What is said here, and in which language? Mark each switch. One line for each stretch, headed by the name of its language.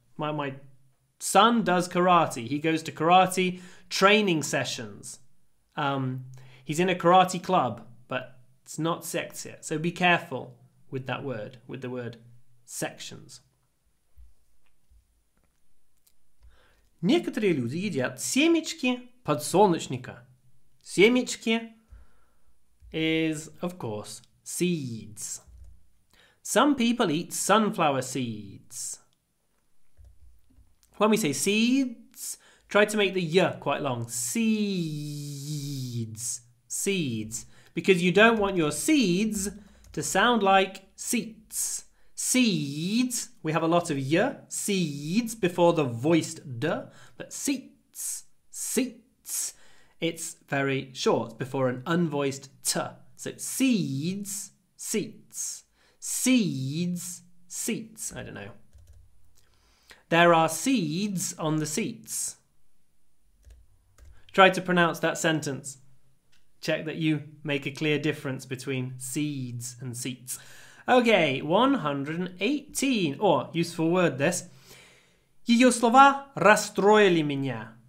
English: My son does karate. He goes to karate training sessions. He's in a karate club, but it's not секция. So be careful with that word, with the word sections.
Russian: Некоторые люди едят семечки подсолнечника. Семечки
English: is, of course, seeds. Some people eat sunflower seeds. When we say seeds, try to make the y quite long. Seeds. Seeds. Because you don't want your seeds to sound like seats. Seeds. We have a lot of y. Seeds before the voiced d. But seats. Seats. It's very short before an unvoiced t. So seeds. Seats. Seeds. Seats. I don't know. There are seeds on the seats. Try to pronounce that sentence. Check that you make a clear difference between seeds and seats. Okay, 118. Oh, useful word this.
Russian: Её слова расстроили меня.